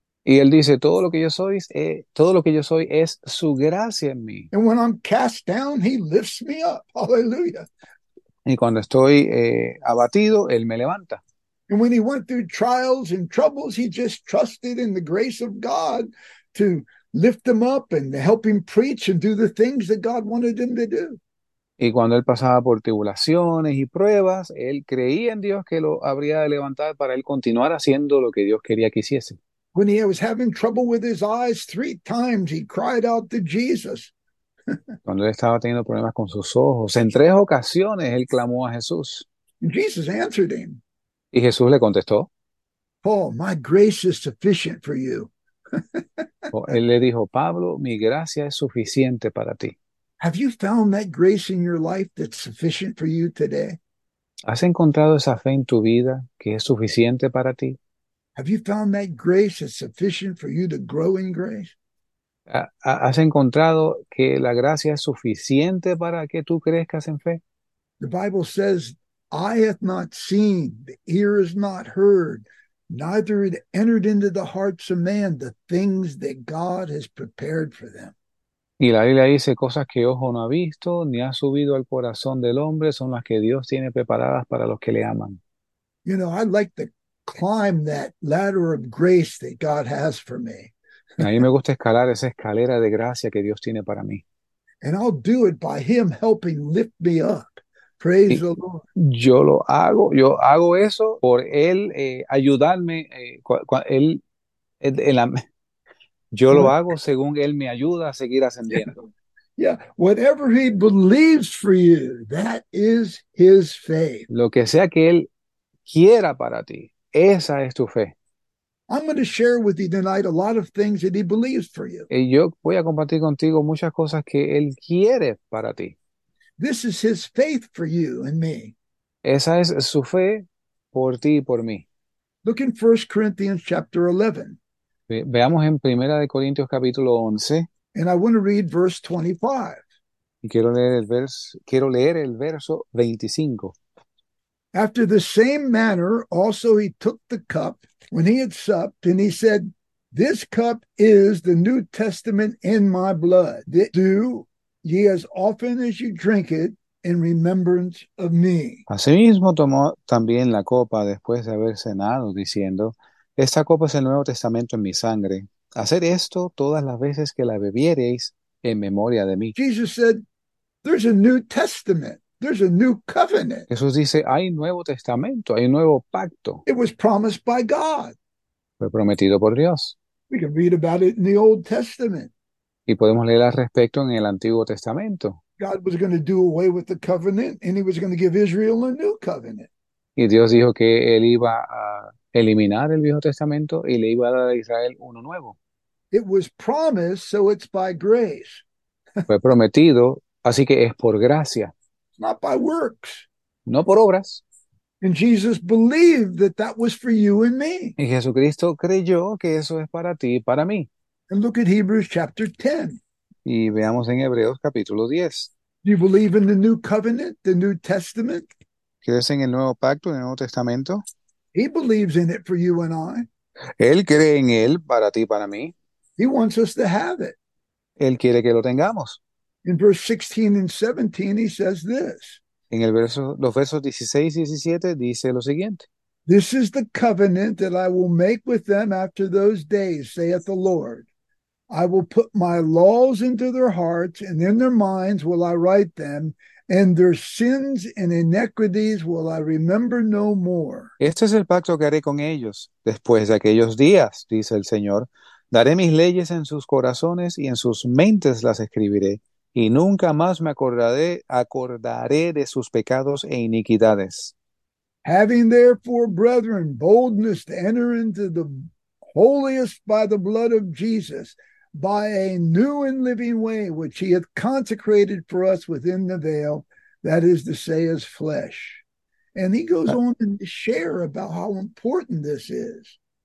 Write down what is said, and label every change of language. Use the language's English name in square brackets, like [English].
[Spanish] Y él dice, todo lo que yo soy, todo lo que yo soy es su gracia en mí. [English] And when I'm cast down, he lifts me up. Hallelujah. [Spanish] Y cuando estoy abatido, él me levanta. [English] And when he went through trials and troubles, he just trusted in the grace of God to lift him up and help him preach and do the things that God wanted him to do. [Spanish] Y cuando él pasaba por tribulaciones y pruebas, él creía en Dios que lo habría de levantar para él continuar haciendo lo que Dios quería que hiciese. [English] When he was having trouble with his eyes, three times he cried out to Jesus. [Spanish] Cuando él estaba teniendo problemas con sus ojos, en tres ocasiones él clamó a Jesús. [English] Jesus answered him. [Spanish] Y Jesús le contestó. [English] Paul, my grace is sufficient for you. [Spanish] O él le dijo, Pablo, mi gracia es suficiente para ti. [English] Have you found that grace in your life that's sufficient for you today? [Spanish] ¿Has encontrado esa fe en tu vida que es suficiente para ti? [English] Have you found that grace that's sufficient for you to grow in grace? [Spanish] ¿Has encontrado que la gracia es suficiente para que tú crezcas en fe? [English] The Bible says, "Eye hath not seen, the ear is not heard, neither it entered into the hearts of man the things that God has prepared for them." [Spanish] Y la Biblia dice cosas que ojo no ha visto, ni ha subido al corazón del hombre, son las que Dios tiene preparadas para los que le aman. [English] You know, I'd like to climb that ladder of grace that God has for me. [Spanish] A mí me gusta escalar esa escalera de gracia que Dios tiene para mí. [English] And I'll do it by him helping lift me up. Praise the Lord. [Spanish] Yo hago eso por él ayudarme, él en la Yo lo hago según Él me ayuda a seguir ascendiendo. [English] Whatever he believes for you, that is his faith. [Spanish] Lo que sea que Él quiera para ti, esa es tu fe. [English] I'm going to share with you tonight a lot of things that he believes for you. [Spanish] Y yo voy a compartir contigo muchas cosas que Él quiere para ti. [English] This is his faith for you and me. [Spanish] Esa es su fe por ti y por mí. [English] Look in 1 Corinthians chapter 11. [Spanish] Veamos en Primera de Corintios capítulo 11. [English] And I want to read verse 25. [Spanish] Y quiero leer el verso 25. [English] After the same manner, also he took the cup when he had supped, and he said, "This cup is the New Testament in my blood. Do ye as often as you drink it in remembrance of me." [Spanish] Asimismo tomó también la copa después de haber cenado, diciendo: Esta copa es el Nuevo Testamento en mi sangre. Haced esto todas las veces que la bebiereis en memoria de mí. [English] Jesus said, "There's a New Testament. There's a new covenant. [Spanish] Jesús dice, hay nuevo testamento, hay nuevo pacto. [English] It was promised by God." [Spanish] Fue prometido por Dios. [English] We can read about it in the Old Testament. [Spanish] Y podemos leer al respecto en el Antiguo Testamento. [English] God was going to do away with the covenant, and he was going to give Israel a new covenant. [Spanish] Y Dios dijo que él iba a eliminar el Viejo Testamento y le iba a dar a Israel uno nuevo. [English] It was promised, so it's by grace. [Spanish] Fue prometido, así que es por gracia, [English] Not by works. [Spanish] no por obras. [English] And Jesus believed that that was for you and me. [Spanish] Y Jesucristo creyó que eso es para ti y para mí. [English] And look at Hebrews chapter 10. [Spanish] Y veamos en Hebreos capítulo 10. [English] Do you believe in the new covenant, the new testament? [Spanish] ¿Crees en el nuevo pacto, en el Nuevo Testamento? [English] He believes in it for you and I. [Spanish] Él cree en Él para ti y para mí. [English] He wants us to have it. [Spanish] Él quiere que lo tengamos. [English] In verse 16 and 17, he says this. [Spanish] En el verso, los versos 16 y 17 dice lo siguiente: [English] "This is the covenant that I will make with them after those days, saith the Lord. I will put my laws into their hearts, and in their minds will I write them, and their sins and iniquities will I remember no more." [Spanish] Este es el pacto que haré con ellos después de aquellos días, dice el Señor. Daré mis leyes en sus corazones y en sus mentes las escribiré, y nunca más me acordaré de sus pecados e iniquidades. [English] Having therefore, brethren, boldness to enter into the holiest by the blood of Jesus, by a new and living way, which he hath consecrated for us within the veil, that is to say, his flesh. And he goes on to share about how important this is.